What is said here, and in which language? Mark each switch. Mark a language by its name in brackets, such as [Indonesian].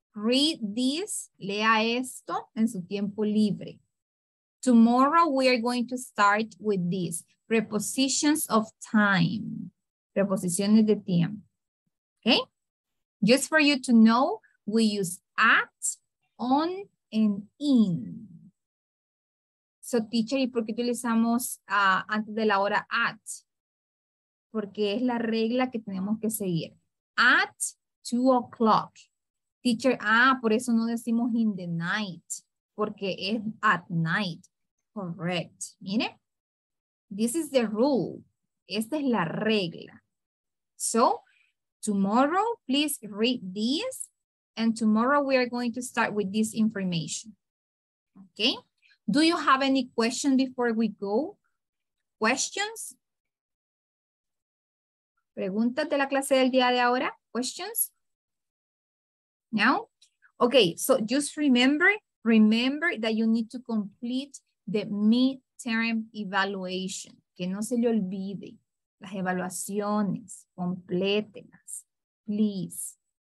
[English] Read this, [Spanish] lea esto en su tiempo libre. [English] Tomorrow we are going to start with this. Prepositions of time. [Spanish] Preposiciones de tiempo. [English] Okay? Just for you to know, we use at, on, and in. [Spanish] So teacher, ¿y por qué utilizamos antes de la hora at? Porque es la regla que tenemos que seguir. [English] At 2 o'clock. [Spanish] Teacher, por eso no decimos [English] in the night, [Spanish] porque es at night. Correct. [English] Mire, this is the rule. [Spanish] Esta es la regla. [English] So, tomorrow, please read this. And tomorrow, we are going to start with this information. Okay? Do you have any question before we go? Questions? [Spanish] ¿Preguntas de la clase del día de ahora? [English] Questions? Now, okay, so just remember that you need to complete the midterm evaluation. [Spanish] Que no se le olvide las evaluaciones, complétenlas, please.